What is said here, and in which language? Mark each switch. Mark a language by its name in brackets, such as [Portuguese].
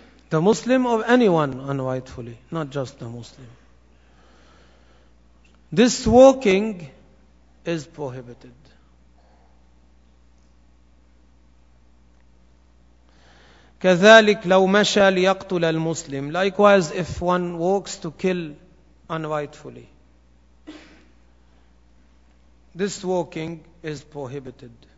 [English] The Muslim or anyone unrightfully, not just the Muslim. This walking is prohibited. [Arabic] كذلك لو مشى ليقتل المسلم. [English] Likewise, if one walks to kill unrightfully, this walking is prohibited.